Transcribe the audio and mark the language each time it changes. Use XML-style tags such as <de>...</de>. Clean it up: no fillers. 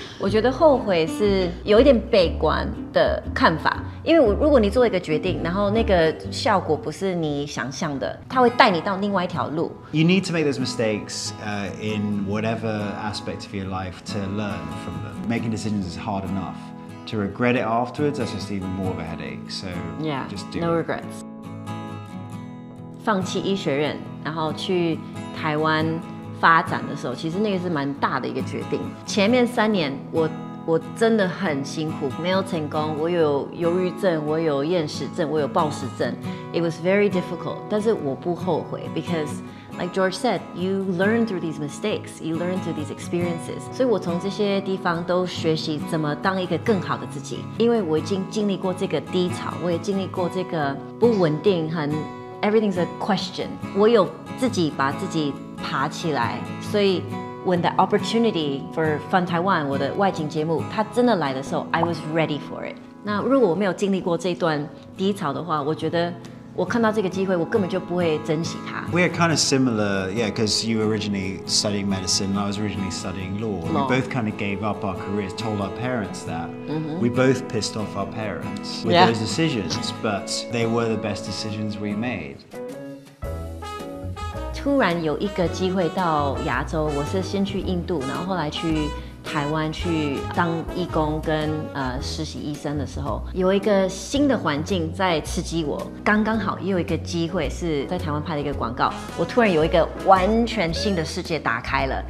<zh>我觉得后悔是有一点悲观的看法。因为如果你做一个决定，然后那个效果不是你想象的，它会带你到另外一条路。</zh> <en>You need to make those mistakes, in whatever aspect of your life to learn from them. Making decisions is hard enough. To regret it afterwards, that's just even more of a headache. So, yeah, just do no regrets.</en> <zh>放弃医学院，然后去台湾发展的时候，其实那个是蛮大的一个决定。前面三年我我真的很辛苦，没有成功，我有忧郁症，我有厌食症，我有暴食症。</zh> <en>It was very difficult,</en> <zh>但是我不后悔</zh> <en>，because like George said, you learn through these mistakes, you learn through these experiences.</en> <zh>所以我从这些地方都学习怎么当一个更好的自己，因为我已经经历过这个低潮，我也经历过这个不稳定，很</zh> <en>everything's a question.</en> <zh>我有自己把自己爬起来，所以。</zh> <en>When the opportunity for Fun Taiwan,</en> <zh>我的外景节目，它真的来的时候</zh> <en>，I was ready for it.</en> <zh>那如果我没有经历过这段低潮的话，我觉得我看到这个机会，我根本就不会珍惜它。</zh> <en>We're kind of similar, yeah, because you originally studying medicine, and I was originally studying law. We both kind of gave up our careers, told our parents that. Mm-hmm. We both pissed off our parents with those decisions, but they were the best decisions we made.</en> <zh>突然有一个机会到亚洲，我是先去印度，然后后来去台湾去当义工跟实习医生的时候，有一个新的环境在刺激我，刚刚好也有一个机会是在台湾拍了一个广告，我突然有一个完全新的世界打开了。</zh>